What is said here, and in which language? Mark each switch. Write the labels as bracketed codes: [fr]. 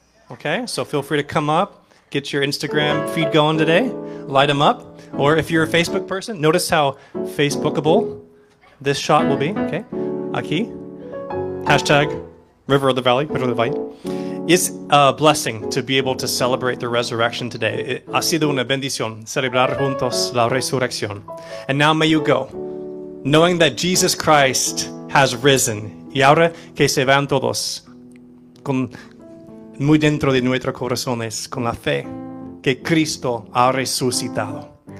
[en] Okay, so feel free to come up, get your Instagram feed going today, light them up. Or if you're a Facebook person, notice how Facebookable this shot will be. [es] Okay, aquí. [en] Hashtag River of the Valley, River of the Valley. It's a blessing to be able to celebrate the resurrection today. [es] Ha sido una bendición celebrar juntos la resurrección. [en] And now may you go, knowing that Jesus Christ has risen. [es] Y ahora que se van todos, con muy dentro de nuestros corazones, con la fe que Cristo ha resucitado.